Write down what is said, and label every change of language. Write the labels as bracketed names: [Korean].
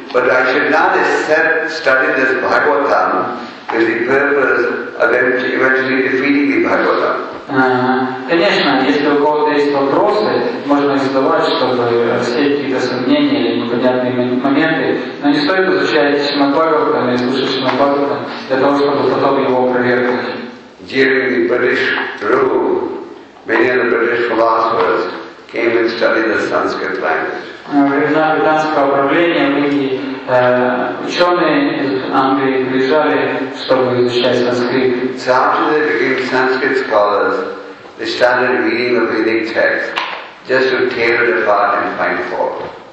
[English] But I should not accept studying this Bhagavatam with the purpose of eventually defeating the Bhagavatam. [Russian] Конечно, если у кого-то есть вопросы, можно их задавать, чтобы рассеять какие-то сомнения или непонятные моменты, но не стоит изучать Шримад Бхагаватам или слушать Шримад Бхагаватам для того, чтобы потом его опровергнуть. [English] During the British rule, many of the British philosophers came and studied the Sanskrit language. [Russian] Во времена британского правления многие ученые из Англии приезжали, чтобы изучать санскрит. [English] So after they became Sanskrit scholars, they started reading the Vedic texts just to tear it apart and find fault.